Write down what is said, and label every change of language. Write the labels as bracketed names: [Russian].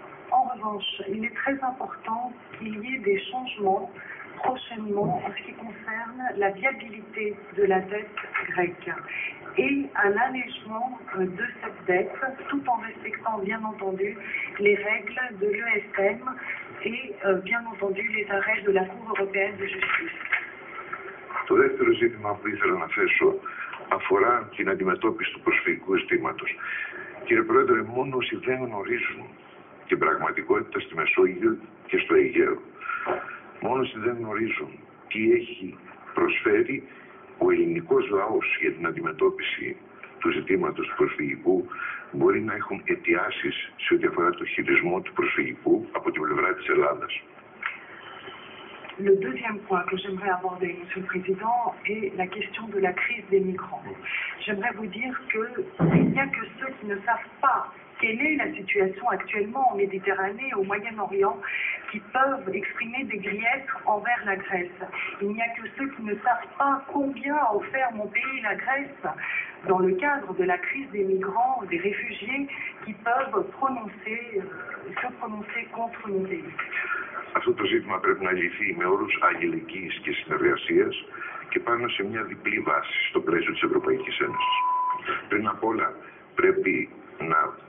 [French] En revanche, il est très important qu'il y ait des changements prochainement en ce qui concerne la viabilité de la dette grecque et un allègement de cette dette, tout en respectant, bien entendu, les règles de l'ESM et, bien entendu, les arrêts de la Cour européenne de justice. [Greek] Το δεύτερο ζήτημα που ήθελα να θέσω αφορά την αντιμετώπιση του προσφυγικού αισθήματος. Κύριε Πρόεδρε, μόνο όσοι δεν γνωρίζουν την πραγματικότητα στη Μεσόγειο και στο Αιγαίο, μόνο όσοι δεν γνωρίζουν τι έχει προσφέρει ο ελληνικός λαός για την αντιμετώπιση του ζητήματος του προσφυγικού, μπορεί να έχουν αιτιάσεις σε ό,τι αφορά το χειρισμό του προσφυγικού από την πλευρά της Ελλάδας. [French] Le deuxième point que j'aimerais aborder, Monsieur le Président, est la question de la crise des migrants. J'aimerais vous dire qu'il n'y a que ceux qui ne savent pas quelle est la situation actuellement en Méditerranée et au Moyen-Orient qui peuvent exprimer des griefs envers la Grèce. Il n'y a que ceux qui ne savent pas combien a offert mon pays, la Grèce, dans le cadre de la crise des migrants, des réfugiés, qui peuvent se prononcer contre mon pays. [Greek] Αυτό το ζήτημα πρέπει να λυθεί με όρους αλληλεγγύης και συνεργασίας και πάνω σε μια διπλή βάση στο πλαίσιο της Ευρωπαϊκής Ένωσης. Πριν απ' όλα πρέπει να